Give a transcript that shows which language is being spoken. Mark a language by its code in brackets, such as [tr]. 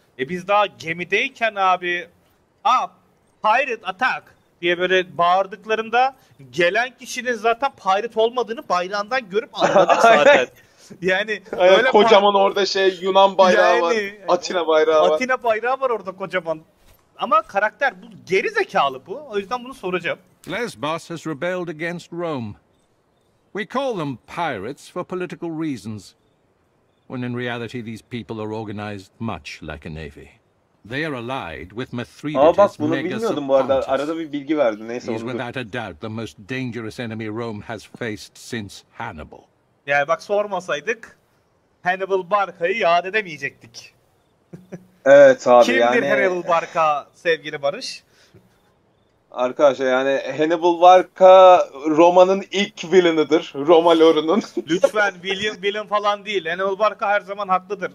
[tr] E biz daha gemideyken abi, pirate attack diye böyle bağırdıklarında gelen kişinin zaten pirate olmadığını bayrağından görüp anladık zaten. Yani aynen, öyle kocaman orada şey Yunan bayrağı yani, var, Atina bayrağı var. Atina bayrağı var orada kocaman. Ama karakter bu, geri zekalı bu. O yüzden bunu soracağım. [en] Lesbos has rebelled against Rome. We call them pirates for political reasons. When in reality these people are organized much like a navy. They are allied with Mithridates. [tr] Aa bak bunu bilmiyordum bu arada. Arada bir bilgi verdi. Neyse onu. [en] He is without a doubt the most dangerous enemy Rome has faced since Hannibal. [tr] Yani bak sormasaydık Hannibal Barca'yı yad edemeyecektik. Evet abi. Kimdir yani kimdir Hannibal Barca sevgili Barış? Arkadaşlar yani Hannibal Barca Roma'nın ilk villain'ıdır. Roma lore'unun. Lütfen villain falan değil. Hannibal Barca her zaman haklıdır.